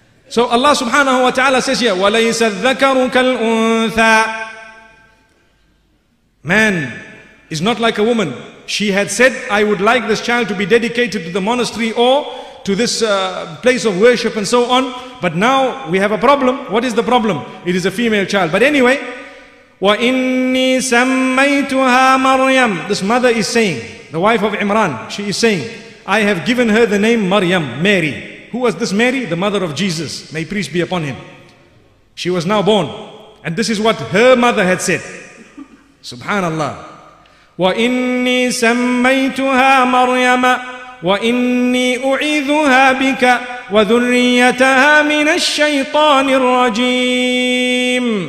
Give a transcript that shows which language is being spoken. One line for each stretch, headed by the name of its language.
English: So Allah subhanahu wa ta'ala says here,
Arabic: وَلَيْسَ الذَّكَرُ كَالْأُنْثَىٰ.
English: Man is not like a woman. She had said, I would like this child to be dedicated to the monastery or to this place of worship and so on. But now we have a problem. What is the problem? It is a female child. But anyway,
Arabic: وَإِنِّي سَمَّيْتُهَا مَرْيَمْ.
English: This mother is saying, the wife of Imran, she is saying, I have given her the name Maryam, Mary. Who was this Mary? The mother of Jesus. May peace be upon him. She was now born. And this is what her mother had said.
Arabic: Subhanallah. وَإِنِّي سَمَّيْتُهَا مَرْيَمَ وَإِنِّي أُعِذُهَا بِكَ وَذُرِّيَّتَهَا مِنَ الشَّيْطَانِ الرَّجِيمِ.